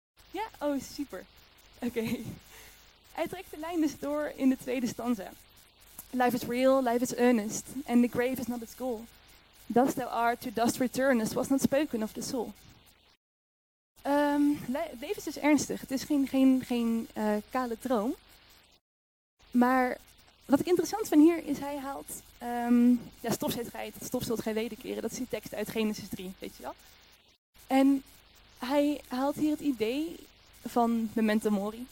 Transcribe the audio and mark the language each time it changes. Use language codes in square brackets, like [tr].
[nl] Ja, oh super. Oké. Hij trekt de lijn dus door in de tweede stanza. [en] Life is real, life is earnest, and the grave is not its goal. Dust thou art, to dust returnest, was not spoken of the soul. [nl] Leven is dus ernstig, het is geen kale droom. Maar wat ik interessant vind hier is, hij haalt stof zult gij, tot stof zult gij wederkeren. Dat is die tekst uit Genesis 3, weet je wel. En hij haalt hier het idee van memento mori.